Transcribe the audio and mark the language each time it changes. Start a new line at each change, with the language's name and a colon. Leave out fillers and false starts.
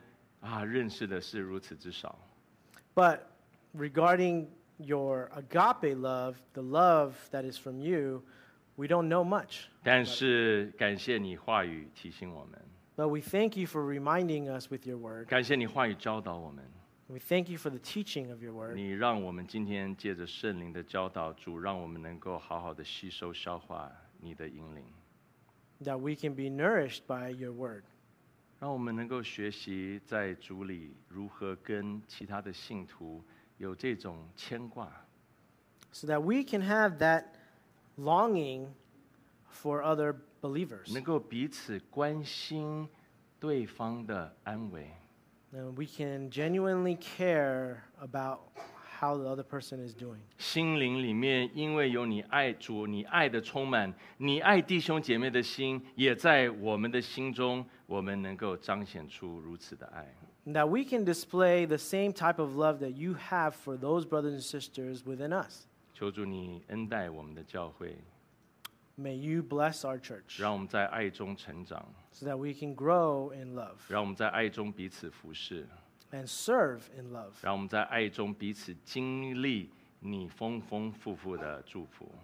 Chinese: 但是我们对你所赐的大爱，这个agape的爱，主我们认识的是如此之少。
English: But regarding your agape love, the love that is from you, we don't know much.
Chinese: 但是感谢你话语提醒我们。
English: But we thank you for reminding us with your word.
Chinese: 感谢你话语教导我们。
English: We thank you for the teaching of your word.
Chinese: 你让我们今天借着圣灵的教导, 主让我们能够好好的吸收消化你的引领。
English: That we can be nourished by your word.
Chinese: 让我们能够学习在主里如何跟其他的信徒有这种牵挂。
English: So that we can have that longing for other believers.
Chinese: 能够彼此关心对方的安危。
English: And we can genuinely care about how the other person is doing.
Chinese: 心灵里面因为有你爱主，你爱的充满，你爱弟兄姐妹的心也在我们的心中，我们能够彰显出如此的爱。
English: That we can display the same type of love that you have for those brothers and sisters within us.
Chinese: 求主你恩待我们的教会。
English: May you bless our church.
Chinese: 让我们在爱中成长。
English: So that we can grow in love.
Chinese: 让我们在爱中彼此服侍。
English: And serve in love.
Chinese: 让我们在爱中彼此经历你丰丰富富的祝福。